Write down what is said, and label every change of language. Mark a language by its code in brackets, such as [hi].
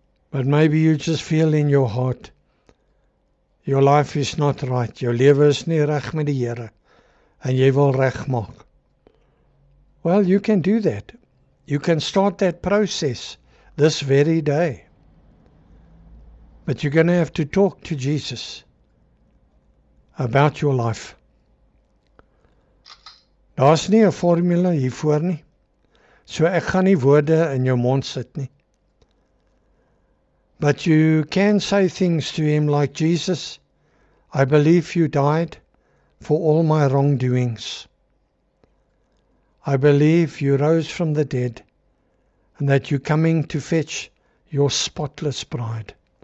[en] But maybe you just feel in your heart, your life is not right, your [af] lewe is nie reg met die Here, [en] and [af] jy wil reg maak. [en] Well, you can do that. You can start that process this very day. But you're going to have to talk to Jesus about your life. [af] Daar's nie 'n formule hiervoor nie. So ek gaan nie woorde in jou mond sit nie. [en] But you can say things to him like, Jesus, I believe you died for all my wrongdoings. I believe you rose from the dead and that you're coming to fetch your spotless bride.